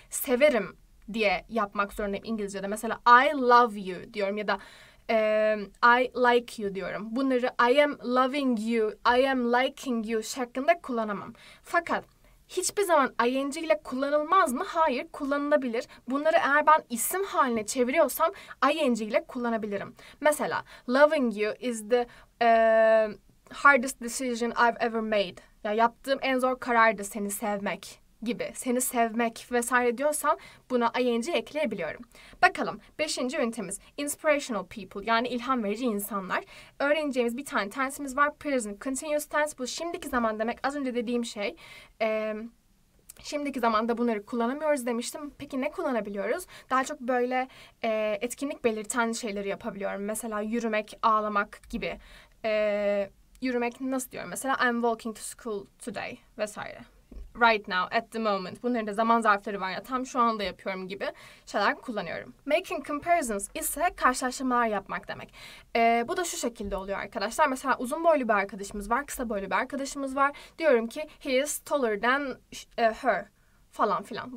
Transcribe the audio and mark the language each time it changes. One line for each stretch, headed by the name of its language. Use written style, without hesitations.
Turkish: Severim diye yapmak zorundayım İngilizce'de. Mesela
English: I love you
Turkish: diyorum ya da
English: I like you
Turkish: diyorum. Bunları
English: I am loving you, I am liking you
Turkish: şeklinde kullanamam. Fakat hiçbir zaman ing ile kullanılmaz mı? Hayır, kullanılabilir. Bunları eğer ben isim haline çeviriyorsam ing ile kullanabilirim. Mesela
English: loving you is the hardest decision I've ever made.
Turkish: Ya yaptığım en zor karardı seni sevmek gibi. Seni sevmek vesaire diyorsam buna ing ekleyebiliyorum. Bakalım. Beşinci ünitemiz.
English: Inspirational people.
Turkish: Yani ilham verici insanlar. Öğreneceğimiz bir tane tense'imiz var.
English: Present continuous tense.
Turkish: Bu şimdiki zaman demek. Az önce dediğim şey. Şimdiki zamanda bunları kullanamıyoruz demiştim. Peki ne kullanabiliyoruz? Daha çok böyle etkinlik belirten şeyleri yapabiliyorum. Mesela yürümek, ağlamak gibi. yürümek nasıl diyorum? Mesela
English: I'm walking to school today
Turkish: vesaire.
English: Right now, at the moment.
Turkish: Bunların da zaman zarfları var ya, tam şu anda yapıyorum gibi şeyler kullanıyorum. Making comparisons ise karşılaştırmalar yapmak demek. Bu da şu şekilde oluyor arkadaşlar. Mesela uzun boylu bir arkadaşımız var, kısa boylu bir arkadaşımız var. Diyorum ki
English: he is taller than her
Turkish: falan filan.